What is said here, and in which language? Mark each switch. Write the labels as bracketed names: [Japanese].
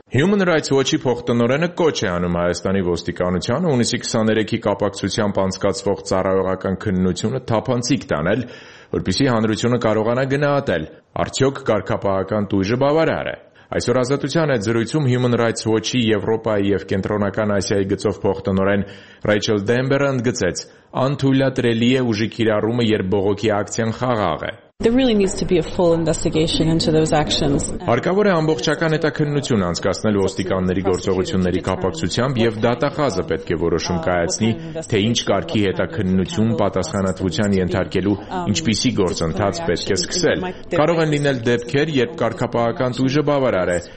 [Armenian] Human Rights Watch-ի փոխտնօրենը կոչ է անում Հայաստանի ոստիկանությանը հունիսի 23-ի կապակցությամբ անցկացվող ծառայողական քննությունը թափանցիկ տանել, որպեսզի հանրությունը կարողանա գնահատել, արդյոք կարգապահական տույժը բավարար է։ Այսօր ազատության այդ զրույցում Human Rights Watch-ի Եվրոպայի և Կենտրոնական Ասիայի գծով փոխտնօրեն Ռեյչել Դեմբերը ընդգծեց. անթույլատրելի է ուժի կիրառումը, երբ բողոքի ակցիան խաղաղ է։ [English] There really needs to be a full investigation into those actions. [Armenian] Հարկավոր է ամբողջական հետաքննություն անցկացնել ոստիկանների գործողությունների կապակցությամբ, և դատախազը պետք է որոշում կայացնի, թե ինչ կարգի հետաքննություն պատասխանատվության ենթարկելու ինչպիսի գործընթաց պետք է սկսել։ Կարող են լինել դեպքեր, երբ կարգապահական տույժը բավարար է,